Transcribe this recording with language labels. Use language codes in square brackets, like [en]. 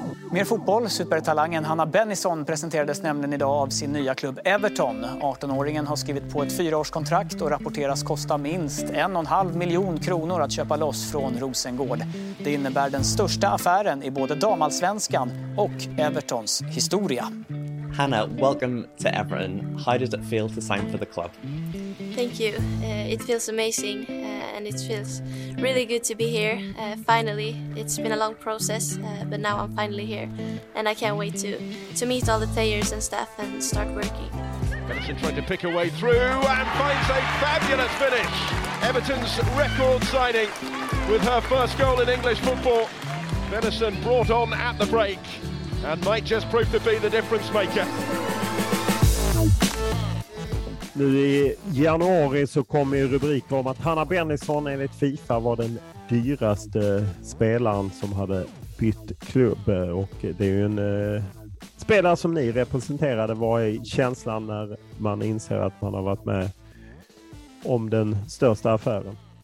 [sv] Mer fotboll. Supertalangen Hanna Bennison presenterades nämligen idag av sin nya klubb Everton. 18-åringen har skrivit på ett 4-årskontrakt och rapporteras kosta minst 1,5 miljoner kronor att köpa loss från Rosengård. Det innebär den största affären i både damallsvenskan och Evertons historia. [en] Hanna, welcome to Everton. How does it feel to sign for the club? Thank you. It feels amazing and it feels really good to be here. Finally, it's been a long process, but now I'm finally here and I can't wait to meet all the players and staff and start working. Benson trying to pick a way through and finds a fabulous finish. Everton's record signing with her first goal in English football. Benson brought on at the break and might just prove to be the difference maker. [sv] Nu i januari så kom ju rubriker om att Hanna Bennison enligt FIFA var den dyraste spelaren som hade bytt klubb. Och det är ju en spelare som ni representerade. Vad är känslan när man inser att man har varit med om den största affären?